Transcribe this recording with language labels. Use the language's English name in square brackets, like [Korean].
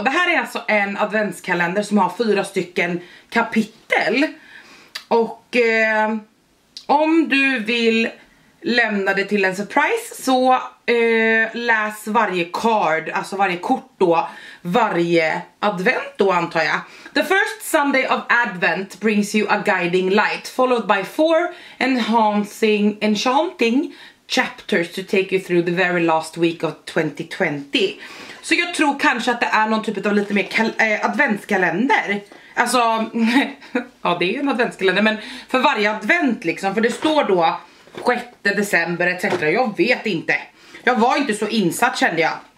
[Swedish] Det här är alltså en adventskalender som har 4 stycken kapitel. Och om du vill lämna det till en surprise, så läs varje card, alltså varje kort då, varje advent då, antar jag. [English] The first Sunday of Advent brings you a guiding light, followed by 4 enchanting chapters to take you through the very last week of 2020. [Swedish] Så jag tror kanske att det är någon typ av lite mer adventskalender. Alltså, ja, det är ju en adventskalender, men för varje advent liksom, för det står då 6 december etc. Jag vet inte. Jag var inte så insatt, kände jag.